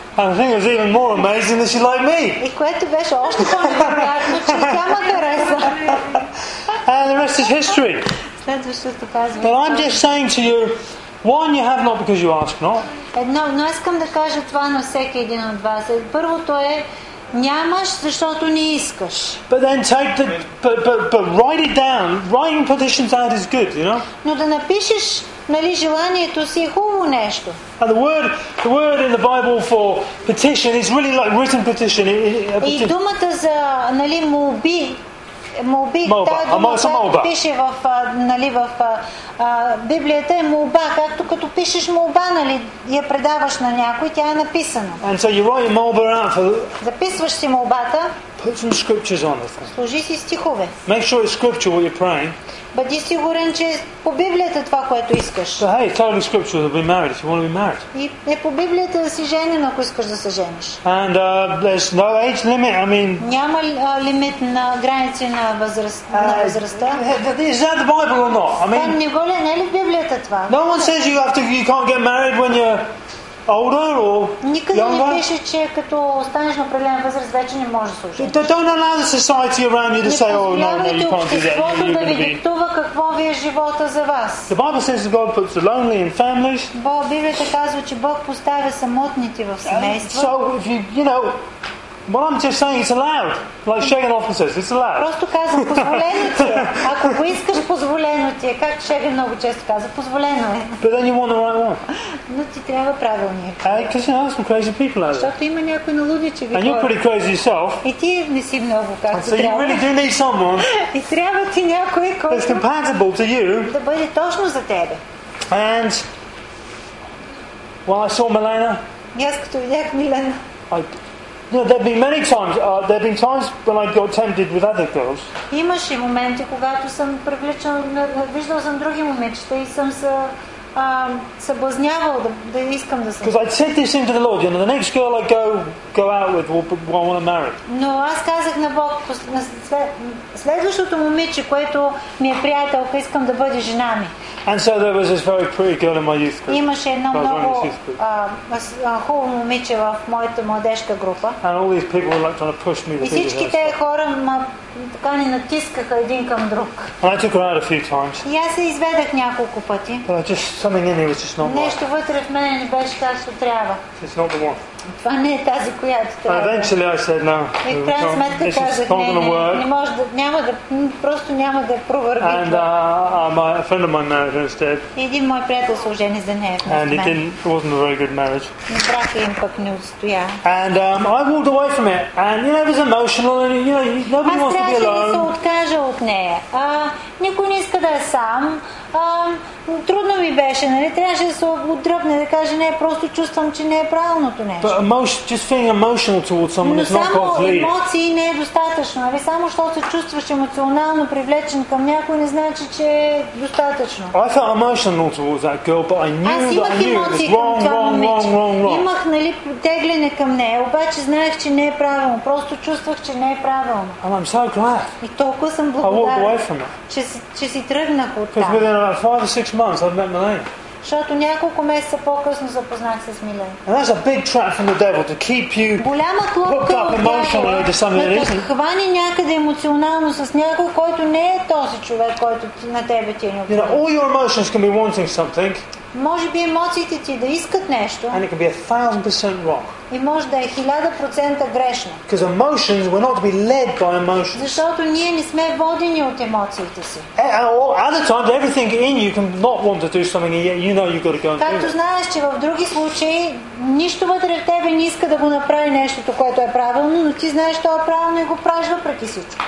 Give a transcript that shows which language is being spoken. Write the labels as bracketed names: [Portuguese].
[English] And the thing was even more amazing that she liked me. [Bulgarian] И което беше още по-невероятно, че тя ме хареса. [English] And the rest is history. [Bulgarian] Следващото казвам. [English] But I'm just saying to you, one, you have not because you ask not. [Bulgarian] Едно, но искам да кажа това на всеки един от вас. Първото е, нямаш, защото не искаш. [English] But then take the but write it down. Writing petitions out is good, you know? [Bulgarian] Но да напишеш, нали, желанието си е хубаво нещо. [English] And the word in the Bible for petition is really like written petition. [Bulgarian] И думата за, нали, молби. Молби, тази дума, пише в, нали, в Библията е молба, както като пишеш молба, нали, я предаваш на някой, тя е написана. [English] And so you write your molba out for... [Bulgarian] Записваш си молбата. [English] Put some scriptures on it. [Bulgarian] Служи си стихове. [English] Make sure it's scripture what you're praying. [Bulgarian] Бъди сигурен, че по Библията това, което искаш. [English] So, hey, totally scriptural to be married if you want to be married. [Bulgarian] И е по Библията да си женен, ако искаш да се жениш. [English] And there's no age limit. I mean. [Bulgarian] Няма лимит на граници на възрастта. [English] Is that the Bible or not? I mean. [Bulgarian] Не го ли е в Библията това? [English] No one says you can't get married when you're older or [Bulgarian] никъде [English] younger. [Bulgarian] Не пише, че като останеш на определен възраст, вече не може да се ожениш. [English] They don't allow the society around you to say, oh, no, no, you can't do that. [Bulgarian] Да ви диктува какво ви е живота за вас. [English] The Bible says that God puts the lonely in families. [Bulgarian] Библията казва, че Бог поставя самотните в семейства. [English] So, if you know, well, I'm just saying it's allowed. Like Shagan often says, it's allowed. [Bulgarian] Просто казвам, позволено ти е. Ако го искаш, позволено ти е. Как Шеген много често казва, позволено е. [English] But then you want the right one. [Bulgarian] Но ти трябва правилния. [English] Because you know some crazy people out there. [Bulgarian] Защото има някои налудичи. [English] And you're pretty crazy yourself. [Bulgarian] И ти не си много както трябва. [English] So you really do need someone. [Bulgarian] И трябва ти някой, който [English] that's compatible to you. [Bulgarian] Да бъде точно за тебе. [English] And while I saw Milena, [Bulgarian] аз като видях Милена, [English] you know, there have been many times, there have been times when I got tempted with other girls. [Bulgarian] Имаше моменти, когато съм привлечен, виждал съм други момичета и съм се съблазнявал да искам да съм. [English] Because I said this into the Lord, you know, the next girl I go out with, will want to marry. [Bulgarian] Но аз казах на Бог, следващото момиче, което ми е приятелка, искам да бъде жена ми. [English] And so there was this very pretty girl in my youth group. [Bulgarian] Имаше едно много хубаво момиче в моята младежка група. [English] And all these people were like trying to push me to be. [Bulgarian] И всички тези хора така ни натискаха един към друг. [English] And I took her out a few times. [Bulgarian] И аз се изведах няколко пъти. [English] But just something in me was just not right. [Bulgarian] Нещо вътре в мене не беше както трябва. [English] It's not the one. [Bulgarian] Това не е тази, която трябва. [English] Eventually I said no. [Bulgarian] И в крайна сметка казах, не може да, няма да, просто няма да провърви. [English] And a friend of mine married instead. [Bulgarian] Един мой приятел се ожени за нея. [English] And it wasn't a very good marriage. [Bulgarian] Но брака им пък не устоя. [English] And I walked away from it. And you know, it was emotional. And you know, nobody wants to be alone. [Bulgarian] Аз трябваше да се откажа от нея. Никой не иска да е сам. Трудно ми беше, нали? Трябваше да се отдръпне, да каже, не, просто чувствам, че не е правилното нещо. [English] Just feeling emotional towards someone is not God's lead. [Bulgarian] Но само емоции не е достатъчно, нали? Само защото се чувстваш емоционално привлечен към някой, не значи, че е достатъчно. [English] I felt emotional towards that girl, but I knew that I knew it was wrong. [Bulgarian] Имах, нали, теглене към нея, обаче знаех, че не е правилно. Просто чувствах, че не е правилно. [English] And I'm so glad. [Bulgarian] И толкова съм благодарен, че си тръгнах от там. [English] Within about 5 or 6 months, I've met Milena. [Bulgarian] Защото няколко месеца по-късно запознах се с Милен. [English] And that's a big trap from the devil to keep you hooked up emotionally to something that isn't. [Bulgarian] Хвани някъде емоционално с някой, който не е този човек, който на тебе ти е необходим. [English] You know, all your emotions can be wanting something. [Bulgarian] Може би емоциите ти да искат нещо. [English] And it can be 1000% wrong. [Bulgarian] И може да е 1000% грешно. [English] Because emotions, we're not to be led by emotions. [Bulgarian] Защото ние не сме водени от емоциите си. [English] Other times, everything in you can not want to do something, and yet you know you've got to go and do it. [Bulgarian] Както знаеш, че в други случаи нищо вътре в тебе не иска да го направи нещото, което е правилно, но ти знаеш, че е правилно и го правиш въпреки всичко.